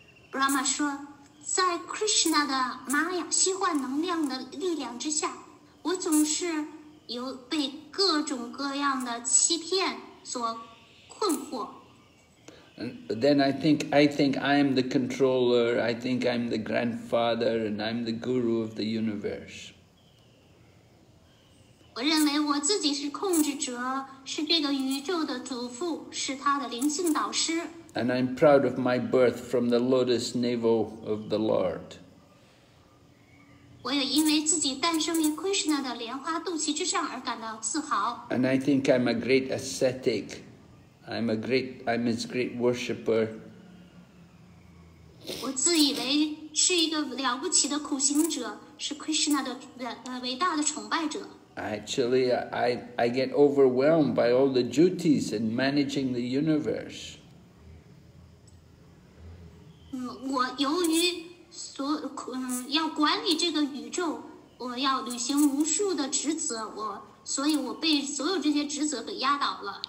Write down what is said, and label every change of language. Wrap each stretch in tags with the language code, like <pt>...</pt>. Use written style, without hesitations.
<zh>Brahma 说，在 Krishna 的 Maya 虚幻能量的力量之下，我总是有被各种各样的欺骗所困惑。</zh> <en>And then I think I am the controller, I think I'm the grandfather, and I'm the guru of the universe.</en> <zh>我认为我自己是控制者，是这个宇宙的祖父，是他的灵性导师。</zh> <en>And I'm proud of my birth from the lotus navel of the Lord.</en> <zh>我也因为自己诞生于 Krishna 的莲花肚脐之上而感到自豪。</zh> <en>And I think I'm a great ascetic. I'm his great worshipper.</en> <zh>我自以为是一个了不起的苦行者，是 Krishna 的伟大的崇拜者。</zh> <en>Actually, I get overwhelmed by all the duties in managing the universe.</en> <zh>我由于要管理这个宇宙，我要履行无数的职责，所以我被所有这些职责给压倒了。</zh>